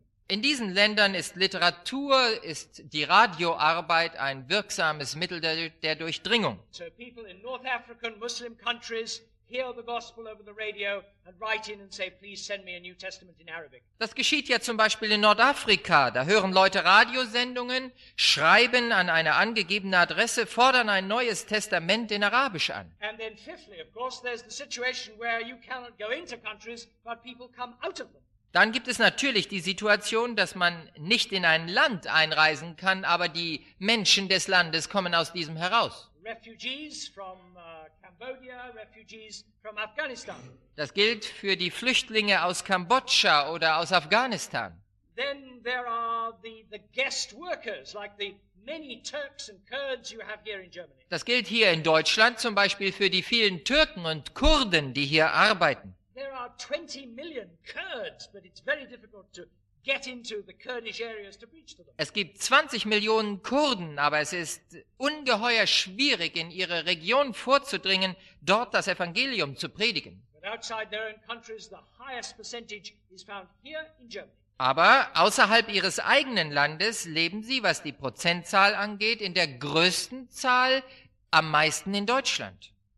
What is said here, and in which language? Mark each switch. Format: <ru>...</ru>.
<de>In diesen Ländern ist Literatur, ist die Radioarbeit ein wirksames Mittel der Durchdringung.</de> <en>So people in North African Muslim countries hear the gospel over the radio and write in and say, please send me a New Testament in Arabic.</en> <de>Das geschieht ja zum Beispiel in Nordafrika. Da hören Leute Radiosendungen, schreiben an eine angegebene Adresse, fordern ein neues Testament in Arabisch an.</de> <en>And then fifthly, of course, there's the situation where you cannot go into countries, but people come out of them.</en> <de>Dann gibt es natürlich die Situation, dass man nicht in ein Land einreisen kann, aber die Menschen des Landes kommen aus diesem heraus.</de> <en>Refugees from Cambodia, refugees from Afghanistan.</en> <de>Das gilt für die Flüchtlinge aus Kambodscha oder aus Afghanistan.</de> <en>Then there are the guest workers, like the many Turks and Kurds you have here in Germany.</en> <de>Das gilt hier in Deutschland zum Beispiel für die vielen Türken und Kurden, die hier arbeiten.</de> <en>There are 20 million Kurds, but it's very difficult to get into the Kurdish areas to preach to them.</en> <de>Es gibt 20 Millionen Kurden, aber es ist ungeheuer schwierig, in ihre Region vorzudringen, dort das Evangelium zu predigen.</de> <en>But outside their own countries, the highest percentage is found here in Germany.</en> <de>Aber außerhalb ihres eigenen Landes leben sie, was die Prozentzahl angeht, in der größten Zahl am meisten in Deutschland.</de>